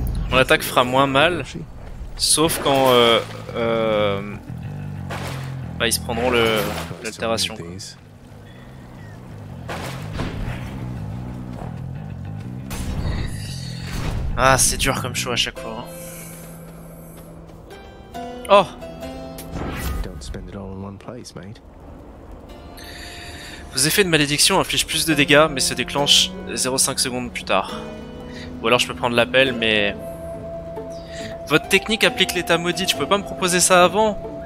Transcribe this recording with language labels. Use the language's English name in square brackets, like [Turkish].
[French] Mon attaque fera moins mal. Sauf quand. Bah, ils se prendront le l'altération. Ah, c'est dur comme choix à chaque fois. Oh! [English] Don't spend it all in one place, mate. [French] Vos effets de malédiction infligent plus de dégâts, mais se déclenchent 0,5 secondes plus tard. Ou alors je peux prendre l'appel, mais. Votre technique applique l'état maudit, tu peux pas me proposer ça avant?